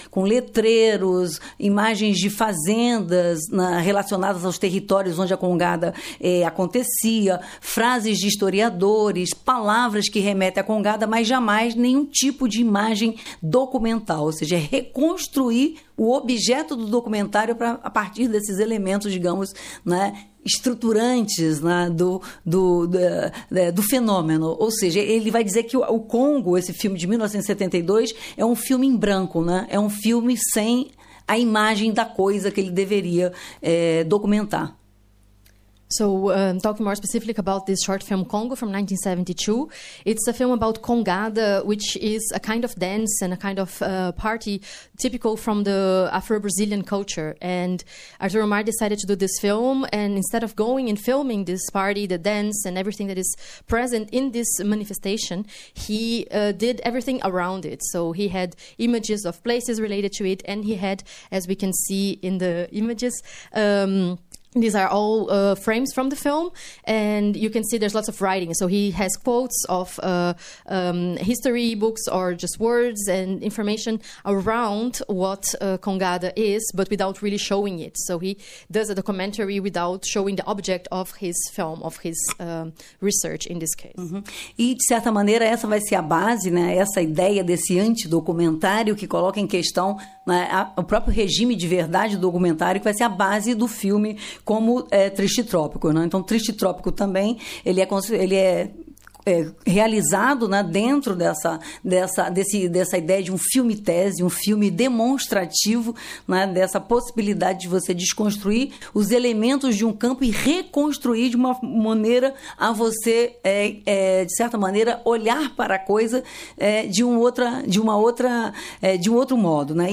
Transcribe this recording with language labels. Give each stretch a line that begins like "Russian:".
Portuguese: Com letreiros, imagens de fazendas relacionadas aos territórios onde a congada acontecia, frases de historiadores, palavras que remetem à congada, mas jamais nenhum tipo de imagem documental. Ou seja, é reconstruir o objeto do documentário a partir desses elementos, digamos, né, estruturantes, né, do fenômeno. Ou seja, ele vai dizer que o Congo, esse filme de 1972, é um filme em branco, né? É um filme sem a imagem da coisa que ele deveria documentar.
English: So, talking more specifically about this short film Congo from 1972, it's a film about congada, which is a kind of dance and a kind of party typical from the Afro-Brazilian culture. And Arthur Omar decided to do this film, and instead of going and filming this party, the dance and everything that is present in this manifestation, he did everything around it. So he had images of places related to it, and he had, as we can see in the images, these are all frames from the film, and you can see there's lots of writing. So he has quotes of history books or just words and information around what congada is, but without really showing it. So he does a documentary without showing the object of his film, of his research in this case.
Portuguese: Uh-huh. E, de certa maneira, essa vai ser a base, né? Essa ideia desse antidocumentário que coloca em questão o próprio regime de verdade do documentário, que vai ser a base do filme como Triste Trópico, né? Então, Triste Trópico também, ele é realizado, né, dentro dessa ideia de um filme-tese, um filme demonstrativo, né, dessa possibilidade de você desconstruir os elementos de um campo e reconstruir de uma maneira a você, de certa maneira, olhar para a coisa de um outro modo. Né?